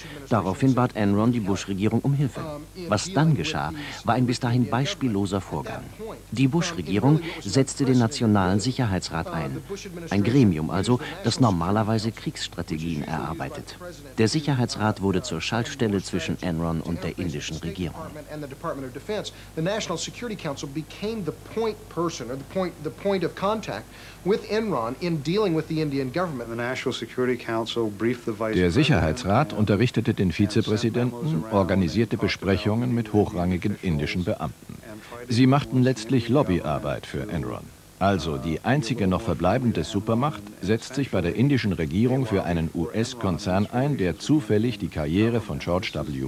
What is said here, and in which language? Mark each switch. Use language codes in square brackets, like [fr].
[de] Daraufhin bat Enron die Bush-Regierung um Hilfe. Was dann geschah, war ein bis dahin beispielloser Vorgang. Die Bush-Regierung setzte den Nationalen Sicherheitsrat ein. Ein Gremium also, das normalerweise Kriegsstrategien erarbeitet. Der Sicherheitsrat wurde zur Schaltstelle zwischen Enron und der indischen Regierung. [en] The National Security Council became the point person, or the point of contact with Enron in dealing with the Indian government. The National Security Council briefed the Vice. [de] Der Sicherheitsrat unterrichtete den Vizepräsidenten, organisierte Besprechungen mit hochrangigen indischen Beamten. Sie machten letztlich Lobbyarbeit für Enron. Also die einzige noch verbleibende Supermacht setzt sich bei der indischen Regierung für einen US-Konzern ein, der zufällig die Karriere von George W.